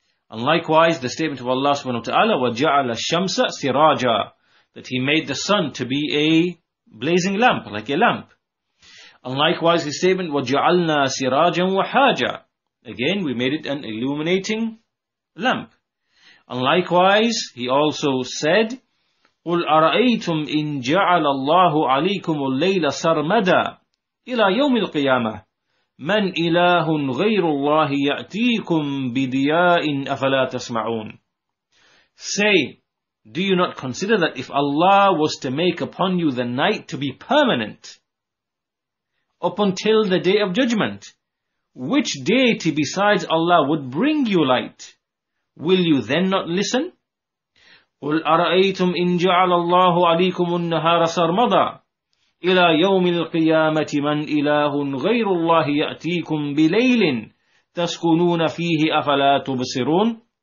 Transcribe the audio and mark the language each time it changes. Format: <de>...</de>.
<en>And likewise, the statement of Allah subhanahu wa ta'ala,</en> <ar>وَجَعَلَ الشَّمْسَ سِرَاجًا,</ar> <en>that he made the sun to be a blazing lamp, like a lamp. And likewise, his statement,</en> <ar>وَجَعَلْنَا سِرَاجًا وَحَاجًا,</ar> <en>again, we made it an illuminating lamp. And likewise, he also said,</en> <ar>قُلْ أَرَأَيْتُمْ إِن جَعَلَ اللَّهُ عَلَيْكُمُ اللَّيْلَ سَرْمَدًا إِلَى يَوْمِ الْقِيَامَةِ مَنْ إِلَهٌ غَيْرُ اللَّهِ يَأْتِيكُمْ بِدِيَاءٍ أَفَلَا تَسْمَعُونَ.</ar> <en>Say, do you not consider that if Allah was to make upon you the night to be permanent up until the day of judgment, which deity besides Allah would bring you light? Will you then not listen?</en> <ar>قُلْ أَرَأَيْتُمْ إِن جَعَلَ اللَّهُ عَلَيْكُمُ النَّهَارَ سَرْمَدًا إِلَى يَوْمِ الْقِيَامَةِ مَنْ إِلَهٌ غَيْرُ اللَّهِ يَأْتِيكُمْ بِلَيْلٍ تَسْكُنُونَ فِيهِ أَفَلَا تُبْصِرُونَ.</ar>